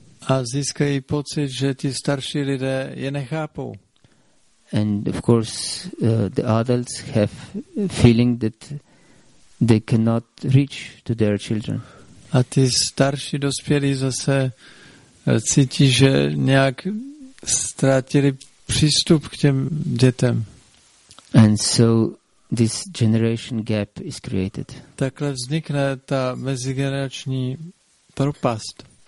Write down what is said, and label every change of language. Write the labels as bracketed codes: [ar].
[cs] A získají pocit, že ti starší lidé je nechápou. [en] And of course the adults have feeling that they cannot reach to their children. [cs] A ty starší dospělí zase cítí, že nějak ztratili přístup k těm dětem. [en] And so this generation gap is created. [cs] Takhle vznikne ta mezigenerační propast.